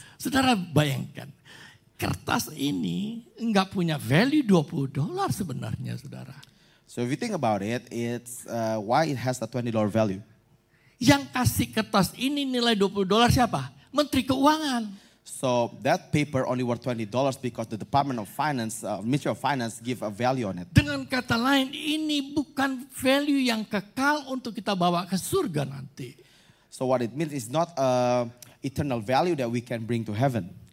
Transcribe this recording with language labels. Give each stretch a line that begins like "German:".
Indonesian: Saudara bayangkan, kertas ini enggak punya value $20 sebenarnya, saudara.
English: So if you think about it, it's why it has a $20 value.
Indonesian: Yang kasih kertas ini nilai $20 siapa? Menteri Keuangan.
English: So that paper only worth $20 because the Department of Finance, Ministry of Finance give a value on it.
Indonesian: Dengan kata lain, ini bukan value yang kekal untuk kita bawa ke surga nanti.
English: So what it means is not a eternal value that we can bring to heaven.